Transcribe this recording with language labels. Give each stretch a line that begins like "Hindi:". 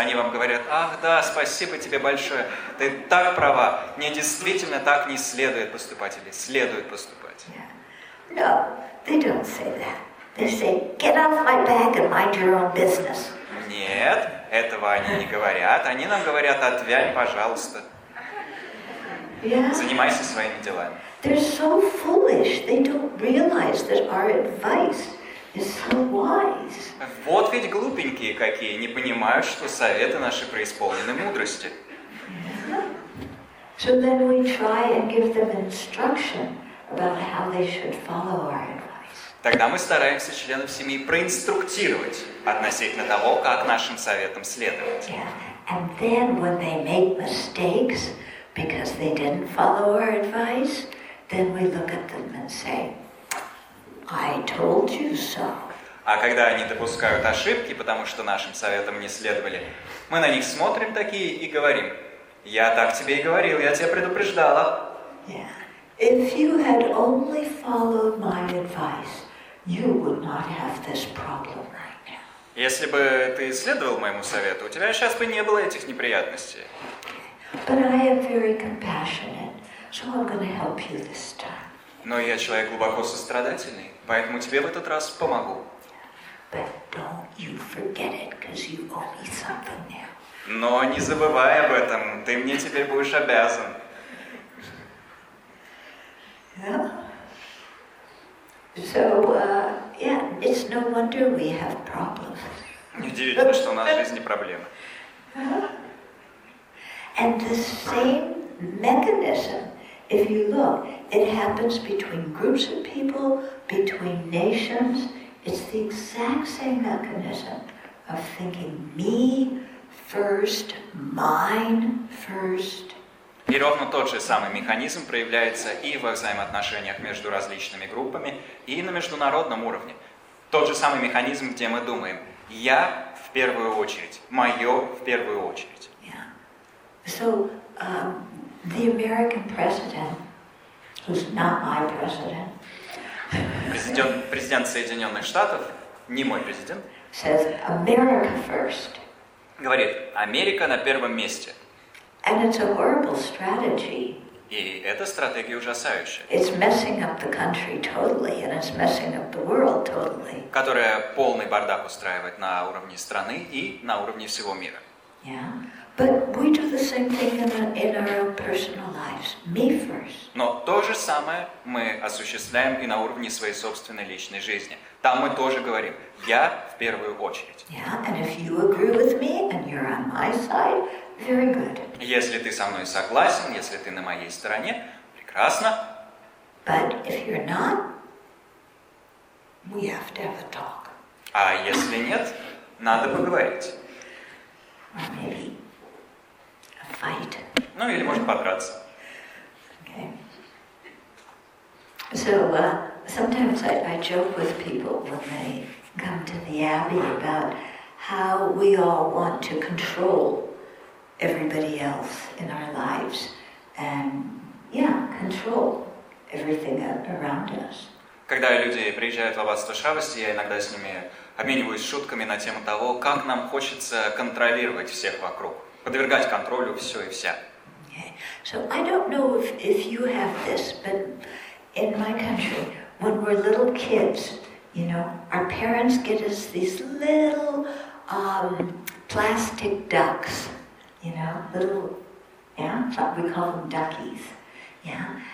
Russian: Они вам говорят: ах, да, спасибо тебе большое. Ты так права. Мне действительно так не следует поступать или следует поступать.
English: Yeah. No, they don't say that. They say, get off my back and mind your own business.
Russian: Нет, этого они не говорят. Они нам говорят: отвянь, пожалуйста.
English: Yeah.
Russian: Занимайся своими делами.
English: They're so foolish. They don't realize that our advice is so wise.
Russian: Вот ведь глупенькие какие, не понимают, что советы наши преисполнены мудрости.
English: So then we try and give them instruction about how they should follow our advice.
Russian: Тогда мы стараемся членов семьи проинструктировать относительно того, как нашим советам следовать.
English: Yeah. And then when they make mistakes because they didn't follow our advice, then we look at them and say, I told you so.
Russian: А когда они допускают ошибки, потому что нашим советам не следовали, мы на них смотрим такие и говорим: я так тебе и говорил, я тебя предупреждала.
English: Yeah. If you had only followed my advice, you would not have this problem right now.
Russian: Если бы ты следовал моему совету, у тебя сейчас бы не было этих неприятностей.
English: But I am very compassionate, so I'm going to help you this time.
Russian: Но я человек глубоко сострадательный, поэтому тебе в этот раз помогу.
English: But don't you forget it, because you owe me something now.
Russian: Но не забывай об этом, ты мне теперь будешь обязан.
English: Yeah. So, it's no wonder we have problems.
Russian: Неудивительно, что у нас в жизни проблемы.
English: And the same mechanism, if you look, it happens between groups of people, between nations. It's the exact same mechanism of thinking me first, mine first.
Russian: И ровно тот же самый механизм проявляется и во взаимоотношениях между различными группами, и на международном уровне. Тот же самый механизм, где мы думаем «я в первую очередь», «моё в первую очередь».
English: Yeah. So, the American president, who's not my president,
Russian: президент Соединенных Штатов, не мой президент,
English: says America first.
Russian: Говорит «Америка на первом месте».
English: And it's a horrible strategy.
Russian: И эта стратегия ужасающая.
English: It's messing up the country totally, and it's messing up the world totally.
Russian: Которая полный бардак устраивает на уровне страны и на уровне всего мира.
English: Yeah, but we do the same thing in our own personal lives. Me first.
Russian: Но то же самое мы осуществляем и на уровне своей собственной личной жизни. Там мы тоже говорим «я в первую очередь».
English: Yeah, and if you agree with me and you're on my side, very good.
Russian: Если ты со мной согласен, если ты на моей стороне, прекрасно.
English: But if you're not, we have to have a talk.
Russian: А если нет, надо поговорить.
English: Or maybe a fight.
Russian: Ну, или можно подраться.
English: Okay. So, sometimes I joke with people when they come to the Abbey about how we all want to control everybody else in our lives and, yeah, control everything around us.
Russian: Когда люди приезжают в аббатство Шабости, я иногда с ними обмениваюсь шутками на тему того, как нам хочется контролировать всех вокруг, подвергать контролю все и вся.
English: Okay. So I don't know if you have this, but in my country, when we're little kids, you know, our parents get us these little plastic ducks, you know, little, yeah, we call them duckies, yeah.